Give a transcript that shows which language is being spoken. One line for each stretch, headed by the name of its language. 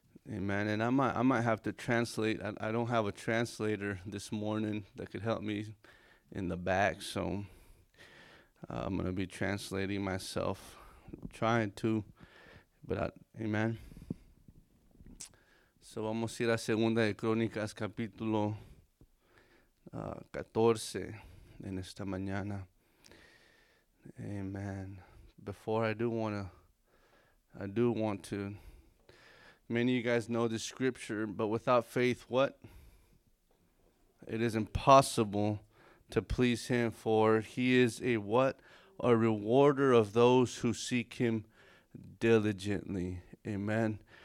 English: Amen. And I might have to translate. I don't have a translator this morning that could help me in the back, so I'm going to be translating myself, trying to, amen.
Spanish: So vamos a ir a Segunda de Crónicas, capítulo 14, en esta mañana.
English: Amen. Before I do want to, many of you guys know this scripture, but without faith, what? It is impossible to please him, for he is a what? A rewarder of those who seek him diligently. Amen.